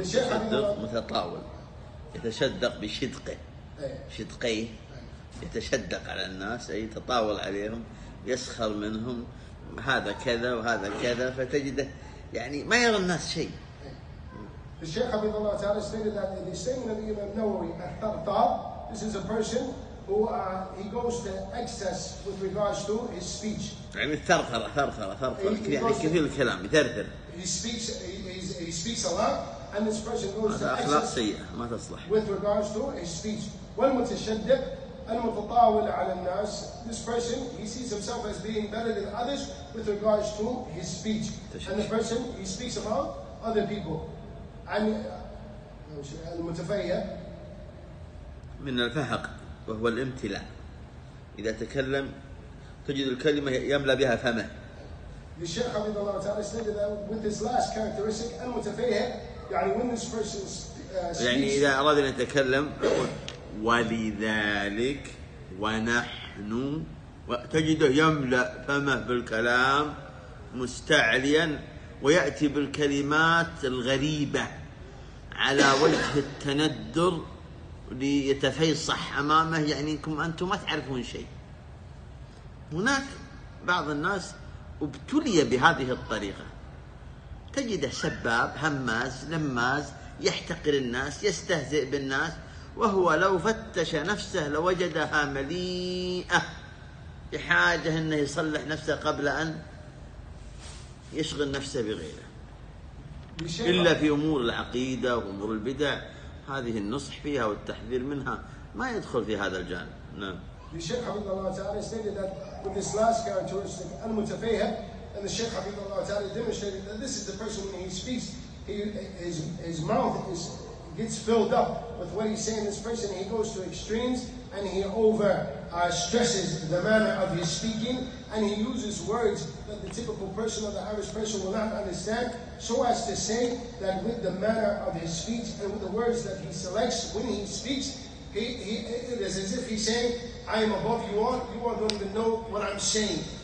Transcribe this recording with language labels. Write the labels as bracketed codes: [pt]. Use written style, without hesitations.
[ar] متشدق متطاول يتشدق بشدقه شدقيه يتشدق على الناس أي تطاول عليهم يسخر منهم هذا كذا وهذا كذا فتجده يعني ما يرى الناس شيء الشيخ حبيب الله تعالى [en] stated that the same of Imam Nawawi الثرثار this is a person who he goes to excess with regards to his speech [ar] يعني الثرثر يعني كثير الكلام يثرثر [en] he speaks a lot and this person goes to excess [ar] أخلاق سيئة ما تصلح [en] with regards to his speech والمتشدق [ar] المتطاول على الناس. [en] This person, he sees himself as being better than others with regards to his speech. And the person, he speaks about other people. [ar] عن المتفيه من الفهق وهو الامتلاء. إذا تكلم تجد الكلمة يملأ بها فمه. الشيخ عبد الله تعالى [en] said that with his last characteristic, المتفيه [ar] يعني [en] when this person [ar] يعني إذا أراد أن يتكلم ولذلك ونحن تجده يملأ فمه بالكلام مستعليا ويأتي بالكلمات الغريبة على وجه التندر ليتفيصح أمامه يعني إنكم أنتم ما تعرفون شيء. هناك بعض الناس ابتلي بهذه الطريقة تجده سباب هماز لماز يحتقر الناس يستهزئ بالناس وهو لو فتش نفسه لوجدها مليئة بحاجة أنه يصلح نفسه قبل أن يشغل نفسه بغيره إلا في أمور العقيدة وأمور البدع هذه النصح فيها والتحذير منها ما يدخل في هذا الجانب. نعم. الشيخ حفظه الله تعالى [en] stated that with this last characteristic المتفيه and the Sheikh [ar] حفظه الله تعالى [en] demonstrated that this is the person when he speaks his mouth is gets filled up with what he's saying. This person, he goes to extremes and he over stresses the manner of his speaking and he uses words that the typical person or the average person will not understand, so as to say that with the manner of his speech and with the words that he selects when he speaks, he it is as if he's saying, I am above you all, you all don't even know what I'm saying.